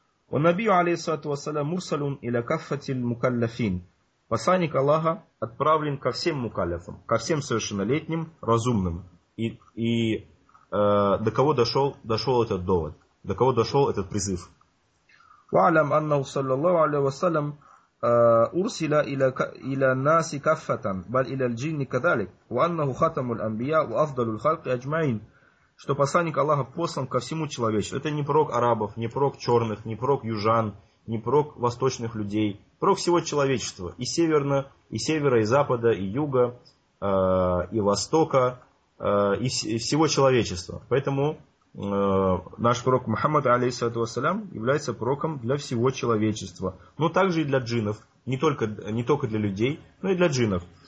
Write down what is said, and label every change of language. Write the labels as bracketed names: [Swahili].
[Arabic] وَنَبِيُّ عَلَيْهِ سَلَّمَ وَسَلَّمَ مُرْسَلٌ إِلَى كَفَّةِ الْمُكَلَّفِينَ, [Russian] посланник Аллаха отправлен ко всем мукалляфам, ко всем совершеннолетним, разумным. И до кого дошел этот довод? До кого дошел этот призыв? [Arabic] وَعَلَمْ أَنَّهُ صَلَّى اللَّهُ عَلَيْهِ وَسَلَّمْ أُرْسِلَ إِلَى النَّاسِ كَفَّةً بَلْ إِلَى الْجِنِّ كَذَلِكَ وَأَنَّهُ خَتَمُ الْأَنْبِيَاءُ وَأَفْضَلُ الْخَلْقِ أَجْمَعِينَ, [Russian] что посланник Аллаха послан ко всему человечеству. Это не пророк арабов, не пророк черных, не пророк южан, не пророк восточных людей. Пророк всего человечества. И севера, и запада, и юга, и востока, и всего человечества. Поэтому наш пророк Мухаммад, алейхиссалату вассалям, является пророком для всего человечества, но также и для джиннов, не только для людей, но и для джиннов.